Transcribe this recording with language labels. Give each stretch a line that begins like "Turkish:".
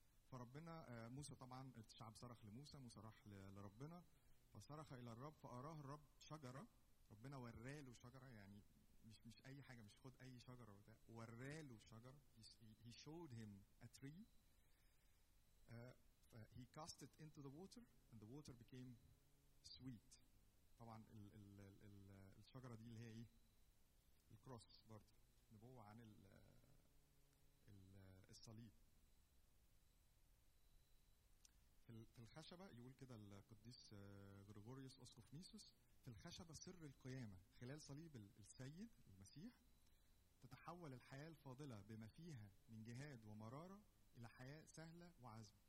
Arabic: فربنا موسى, طبعا الشعب صرخ لموسى, موسى راح لربنا فصرخ إلى الرب, فأراه الرب شجرة. ربنا وراله شجرة, يعني مش أي حاجة, مش خد أي شجرة, وراله شجرة.
English: He showed him a tree. He cast it into the water and the water became sweet.
Arabic: طبعا الـ الشجرة دي اللي هي ايه؟ الكروس برضه. نبوة عن الـ الصليب. في الخشبة يقول كده القديس غريغوريوس أسقف ميسوس, في الخشبة سر القيامة خلال صليب السيد المسيح تتحول الحياة الفاضلة بما فيها من جهاد ومرارة إلى حياة سهلة وعزمة.